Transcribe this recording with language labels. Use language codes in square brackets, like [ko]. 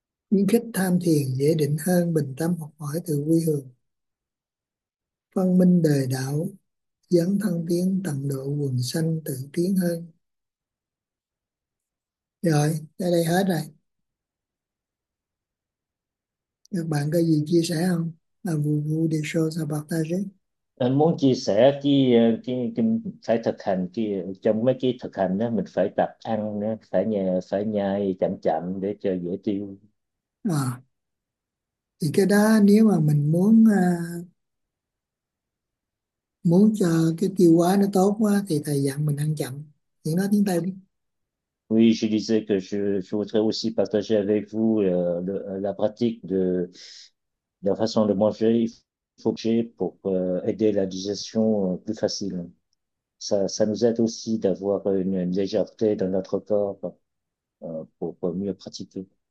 [vi] Những cách tham thiền dễ định hơn bình tâm học hỏi từ quê hương. Phân minh đời đạo, dấn thân tiến tận độ quần sanh tự tiến hơn. Rồi, đây đây hết rồi. Các bạn có gì chia sẻ không? [fr] À, vous voulez des choses à partager? [vi] Muốn chia sẻ cái phải thực hành, cái trong mấy cái thực hành đó mình phải tập ăn, phải nhai chậm chậm để cho dễ tiêu. À, thì cái đó nếu mà mình muốn muốn cho cái tiêu hóa nó tốt quá thì thầy dặn mình ăn chậm. Chuyện nói tiếng Tây đi. [fr] Oui, je disais que je voudrais aussi partager avec vous la pratique de la façon de manger. Pour aider la digestion plus facile. Ça nous aide aussi d'avoir une légèreté dans notre corps pour mieux pratiquer.